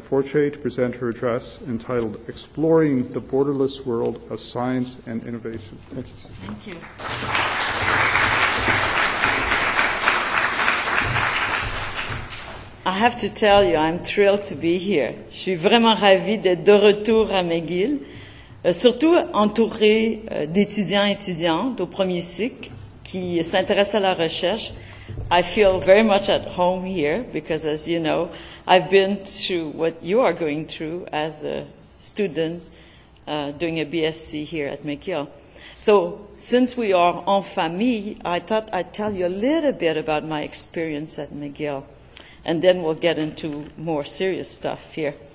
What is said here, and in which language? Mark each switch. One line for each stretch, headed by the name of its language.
English: Forche, to present her address entitled Exploring the Borderless World of Science and Innovation. Thank you, Suzanne. Thank you. I have to tell you, I'm thrilled to be here.
French: Je suis vraiment ravie d'être de retour à McGill, surtout entourée d'étudiants et étudiantes au premier cycle qui s'intéressent à la recherche.
English: I feel very much at home here because, as you know, I've been through what you are going through as a student doing a BSc here at McGill. So, since we are en famille, I thought I'd tell you a little bit about my experience at McGill, and then we'll get into more serious stuff here.